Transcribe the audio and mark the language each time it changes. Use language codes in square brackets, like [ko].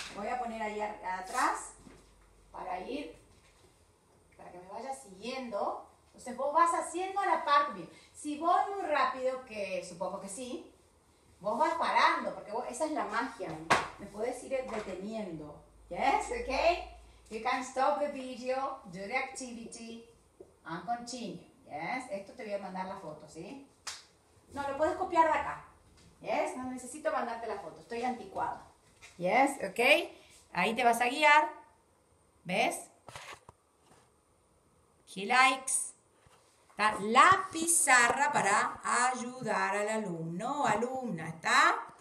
[es] Voy a poner ahí atrás para ir, para que me vaya siguiendo. Entonces vos vas haciendo a la par. Si voy muy rápido, que supongo que sí, vos vas parando, porque vos, esa es la magia. Me puedes ir deteniendo. [en] Yes, ok. You can stop the video, do the activity, and continue. [es] Yes, esto te voy a mandar la foto, ¿sí? No, lo puedes copiar de acá. Yes, no necesito mandarte la foto, estoy anticuada. Yes, ok. Ahí te vas a guiar. ¿Ves? [en] He likes. [es] Está la pizarra para ayudar al alumno o alumna, ¿está?